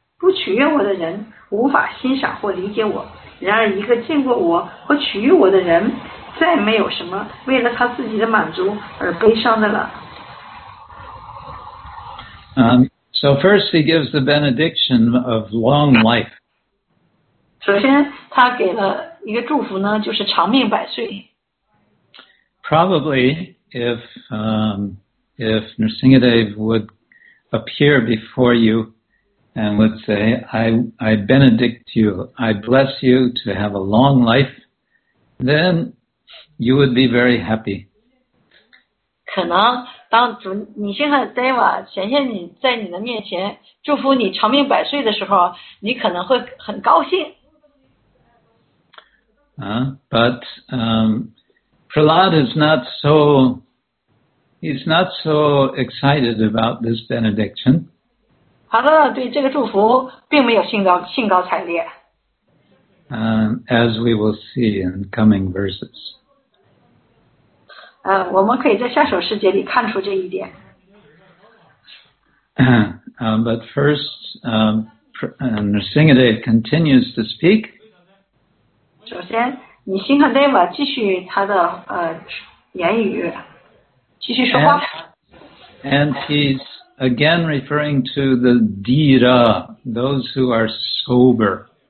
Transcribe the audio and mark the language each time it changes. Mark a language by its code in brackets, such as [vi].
[zh] 不取悦我的人无法欣赏或理解我。然而一个见过我和取悦我的人，再没有什么为了他自己的满足而悲伤的了。 [en] So first he gives the benediction of long life. [zh] 首先他给了一个祝福呢，就是长命百岁。 [en] Probably if Nrsimhadeva would appear before you and would say, I benedict you, I bless you to have a long life, then you would be very happy. [zh] 可能当主你现在 Deva 显现你在你的面前祝福你长命百岁的时候，你可能会很高兴。 [en] But Prahlad is not so, he's not so excited about this benediction. [zh] Prahlad 对这个祝福并没有兴高采烈。 [en] As we will see in coming verses. [zh] 我们可以在下首诗节里看出这一点。 [en] But first, Nrsimhadeva continues to speak. [zh] 首先，你辛克戴瓦继续他的言语，继续说话。 [en] And he's again referring to the dira, those who are sober.